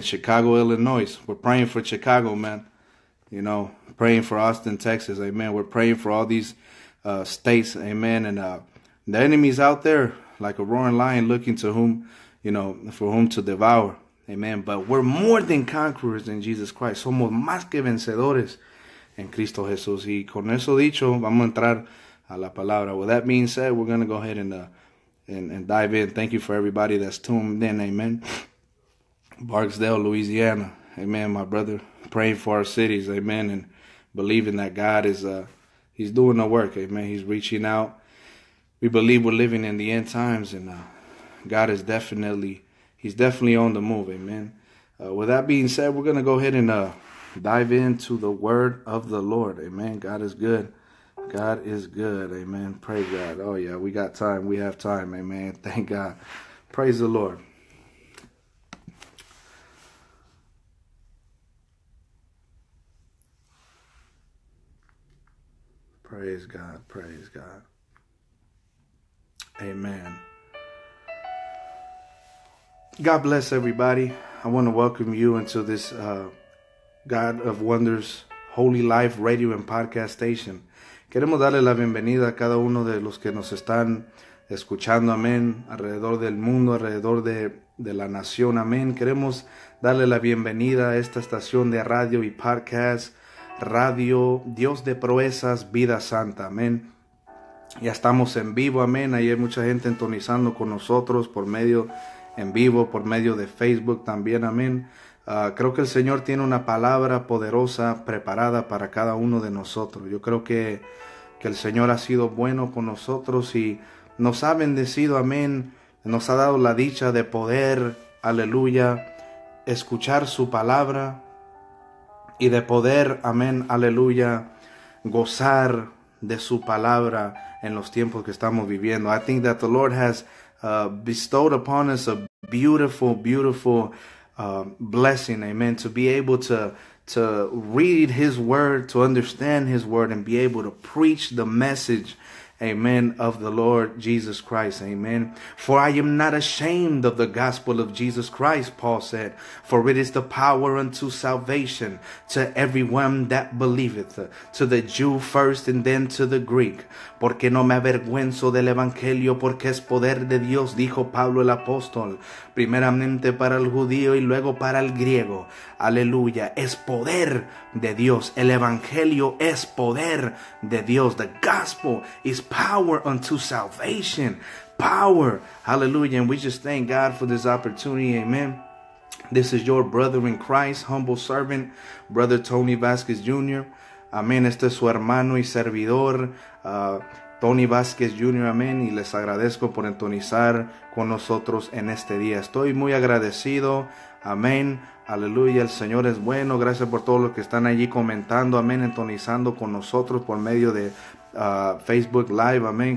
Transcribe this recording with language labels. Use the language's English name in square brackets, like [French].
[English] Chicago, Illinois. We're praying for Chicago, man. You know, praying for Austin, Texas. Amen. We're praying for all these states, amen. And the enemy's out there like a roaring lion looking to whom, you know, for whom to devour, amen. But we're more than conquerors in Jesus Christ. [Spanish] Somos más que vencedores en Cristo Jesús. Y con eso dicho, vamos a entrar a la palabra. [English] With that being said, we're going to go ahead and dive in. Thank you for everybody that's tuned in, amen. Barksdale, Louisiana, Amen, my brother. Praying for our cities, amen, and believing that God is he's doing the work, amen. He's reaching out. We believe we're living in the end times, and God is definitely, he's definitely on the move, amen. With that being said, we're gonna go ahead and dive into the word of the Lord, amen. God is good. God is good, amen. Praise God. Oh yeah, we got time. We have time, amen. Thank God. Praise the Lord. Praise God, praise God. Amen. God bless everybody. I want to welcome you into this God of Wonders Holy Life Radio and Podcast Station. [Spanish] Queremos darle la bienvenida a cada uno de los que nos están escuchando, amén, alrededor del mundo, alrededor de la nación, amén. Queremos darle la bienvenida a esta estación de radio y podcast. Radio Dios de Proezas, Vida Santa, amén. Ya estamos en vivo, amén. Ahí hay mucha gente entonizando con nosotros por medio en vivo, por medio de Facebook también, amén. Creo que el Señor tiene una palabra poderosa preparada para cada uno de nosotros. Yo creo que el Señor ha sido bueno con nosotros y nos ha bendecido, amén. Nos ha dado la dicha de poder, aleluya, escuchar su palabra. Y de poder, amén, aleluya, gozar de su palabra en los tiempos que estamos viviendo. [English] I think that the Lord has bestowed upon us a beautiful, beautiful blessing, amen, to be able to read his word, to understand his word, and be able to preach the message, amen, of the Lord Jesus Christ, amen. For I am not ashamed of the gospel of Jesus Christ, Paul said, for it is the power unto salvation to everyone that believeth, to the Jew first and then to the Greek. [Spanish] Porque no me avergüenzo del evangelio, porque es poder de Dios, dijo Pablo el apóstol, primeramente para el judío y luego para el griego. Aleluya, es poder de Dios. El evangelio es poder de Dios. [English] The gospel is power unto salvation. Power. Aleluya. And we just thank God for this opportunity. Amen. This is your brother in Christ, humble servant, Brother Tony Vasquez Jr. [Spanish] Amén. Este es su hermano y servidor, Tony Vasquez Jr. Amén. Y les agradezco por entonizar con nosotros en este día. Estoy muy agradecido. Amén. Aleluya, el Señor es bueno. Gracias por todos los que están allí comentando, amén, entonizando con nosotros por medio de Facebook Live, amén.